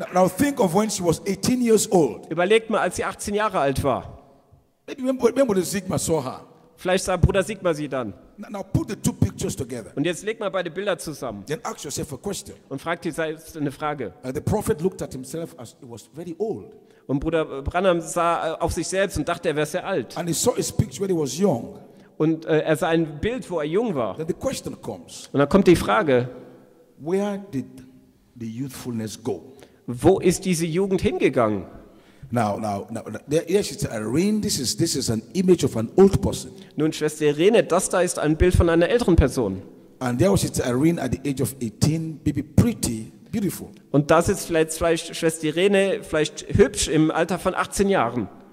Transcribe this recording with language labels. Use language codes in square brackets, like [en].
[en] Now think of when she was 18 years old. [de] Überlegt mal, als sie 18 Jahre alt war. [en] Remember when Sigmar saw her. [de] Vielleicht sah Bruder Sigmar sie dann. [en] Now put the two pictures together. [de] Und jetzt leg mal beide Bilder zusammen. [en] Then ask yourself a question. [de] Und frag dir selbst eine Frage. [en] The prophet looked at himself as he was very old. [de] Und Bruder Branham sah auf sich selbst und dachte, er wäre sehr alt. [en] And he saw his picture when he was young. [de] Und er sah ein Bild, wo er jung war. [en] Then the question comes. [de] Und dann kommt die Frage. [en] Where did the youthfulness go? [de] Wo ist diese Jugend hingegangen? [en] Now, there is Irene. This is an image of an old person. [de] Nun, Schwester Irene, das da ist ein Bild von einer älteren Person. [en] And there was it Irene at the age of 18, maybe pretty, beautiful. [de] Und das ist vielleicht Schwester Irene, vielleicht hübsch im Alter von 18 Jahren.